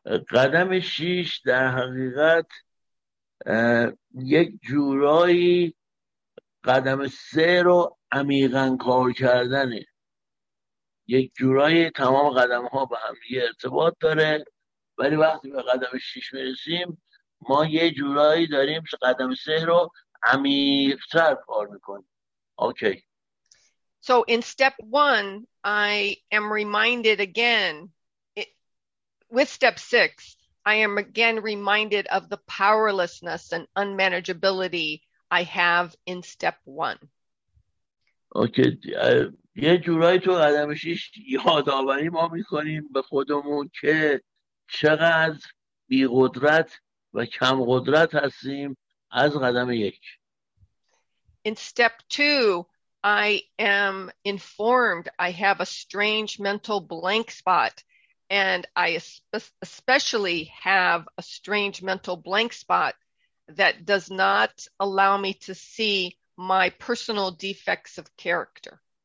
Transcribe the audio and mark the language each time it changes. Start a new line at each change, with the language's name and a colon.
Persian: قدم 6 در حقیقت یک جورایی قدم 3 رو عمیقا کار کردنه. یک جورایی تمام قدم ها به هم یه ارتباط داره، ولی وقتی به قدم 6 میرسیم ما یه جورایی داریم قدم 3 رو عمیق‌تر کار میکنیم. اوکی.
English: So in step 1 I am reminded again with step 6 I am again reminded of the powerlessness and unmanageability I have in step 1.
Persian: اوکی. یه جورایی تو قدم 6 یادآوری ما میکنیم به خودمون که چقدر بی‌قدرت و کم قدرت هستیم از قدم 1.
English: In step 2 I am informed I have a strange mental blank spot and I especially have a strange mental blank spot that does not allow me to see my personal defects of character.